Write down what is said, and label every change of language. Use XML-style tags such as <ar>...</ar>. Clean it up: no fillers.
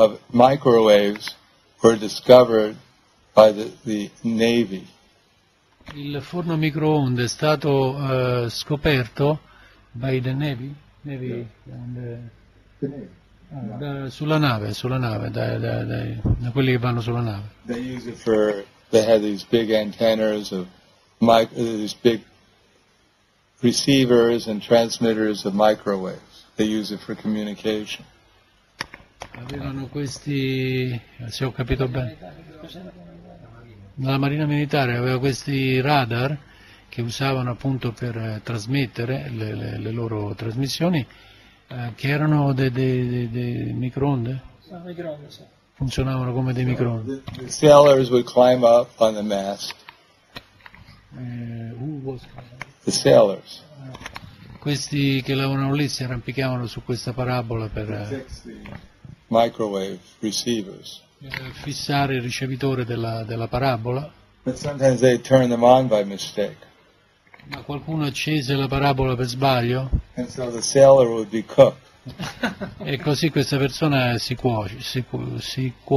<en>Microwaves were discovered by the Navy.</en> <it>Il forno microonde è stato scoperto</it> <en>by the Navy. Navy. Yeah.</en> <it>And, sulla nave, da quelli che vanno sulla nave.</it> <en>They use it for. They had these big antennas of these big receivers and transmitters of microwaves. They use it for communication.</en> <it>Avevano questi, se ho capito bene, la Marina Militare aveva questi radar che usavano appunto per trasmettere le loro trasmissioni, che erano dei microonde? Funzionavano come dei microonde.</it> <en>The sailors would climb up on the mast. Who was? The sailors.</en> <it>Questi che lavoravano lì si arrampicavano su questa parabola per...</it> <en>microwave receivers.</en> <it>Fissare il ricevitore della parabola.</it> <en>But sometimes they turn them on by mistake.</en> <it>Ma qualcuno accese la parabola per sbaglio.</it> <en>And so the sailor would be cooked.</en> <it>E così questa persona si cuoce, si cuoce.</it>